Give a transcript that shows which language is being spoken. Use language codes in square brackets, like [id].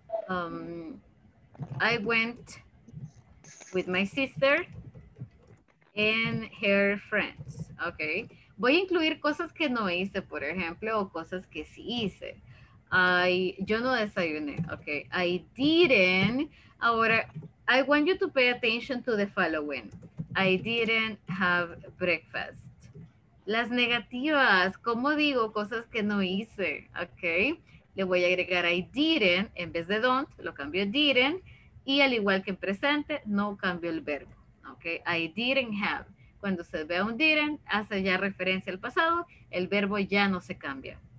[en] I went with my sister and her friends, okay? [es] Voy a incluir cosas que no hice, por ejemplo, o cosas que sí hice. Yo no desayuné, okay. [en] I didn't. [es] Ahora, [en] I want you to pay attention to the following. I didn't have breakfast. [es] Las negativas, ¿cómo digo cosas que no hice? Okay. le voy a agregar ahí didn't en vez de don't, lo cambio didn't, y al igual que en presente, no cambio el verbo. [en] Okay, I didn't have. [es] Cuando se vea un didn't, hace ya referencia al pasado, el verbo ya no se cambia.